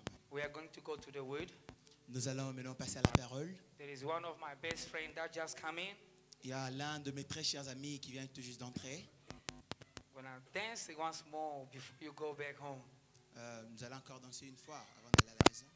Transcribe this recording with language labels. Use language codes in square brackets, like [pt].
[en] We are going to go to the word. [fr] Nous allons maintenant passer à la parole. [en] There is one of my best friends that just came in. [fr] Il y a l'un de mes très chers amis qui vient tout juste d'entrer. [en] We're gonna dance once more before you go back home. [fr] Nous allons encore danser une fois avant d'aller à la maison.